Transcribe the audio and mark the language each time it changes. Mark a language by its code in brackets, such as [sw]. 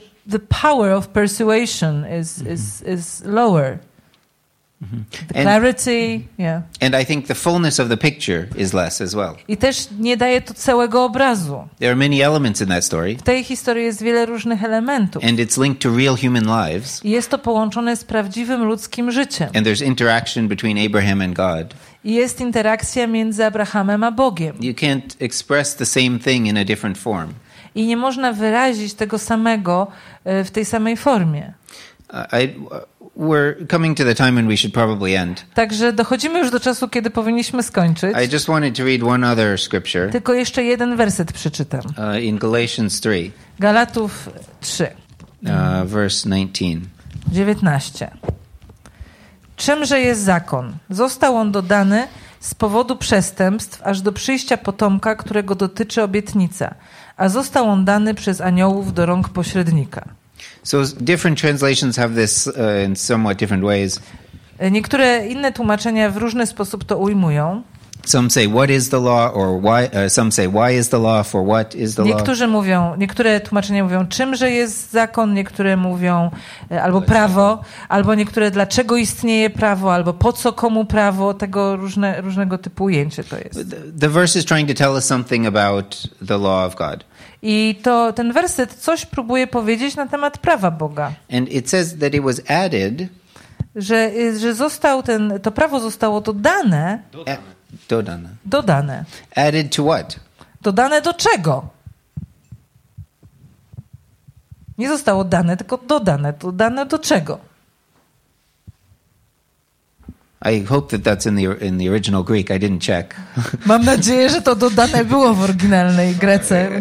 [en] The power of persuasion is lower. The clarity, yeah. And I think the fullness of the picture is less as well. [pl] I też nie daje to całego obrazu. [en] There are many elements in that story. [pl] W tej historii jest wiele różnych elementów. [en] And it's linked to real human lives. [pl] I jest to połączone z prawdziwym ludzkim życiem. [en] And there's interaction between Abraham and God. [pl] I jest interakcja między Abrahamem a Bogiem. [en] You can't express the same thing in a different form. [pl] I nie można wyrazić tego samego w tej samej formie. [en] I we're coming to the time when we should probably end. [pl] Także dochodzimy już do czasu, kiedy powinniśmy skończyć. [en] I just wanted to read one other scripture. [pl] Tylko jeszcze jeden werset przeczytam. [en] In Galatians 3. [pl] Galatów 3. [en] Verse 19. [pl] 19. Czymże jest zakon? Został on dodany z powodu przestępstw, aż do przyjścia potomka, którego dotyczy obietnica, a został on dany przez aniołów do rąk pośrednika. [en] So different translations have this in somewhat different ways. [pl] Niektóre inne tłumaczenia w różny sposób to ujmują. [en] Some say what is the law or why some say why is the law for what is the law. [pl] Niektórzy mówią, niektóre tłumaczenia mówią czymże jest zakon, niektóre mówią albo prawo, albo niektóre dlaczego istnieje prawo, albo po co komu prawo, tego różnego typu ujęcie to jest. [en] The verse is trying to tell us something about the law of God. [pl] I to ten werset coś próbuje powiedzieć na temat prawa Boga. [en] And it says that it was added, [pl] że został ten to prawo zostało dodane. Dodane. [en] Added to what? [pl] Dodane do czego? Nie zostało dane, tylko dodane. Dodane do czego? [en] I hope that that's in the original Greek. I didn't check. [pl] Mam nadzieję, że to dodane było w oryginalnej Grece.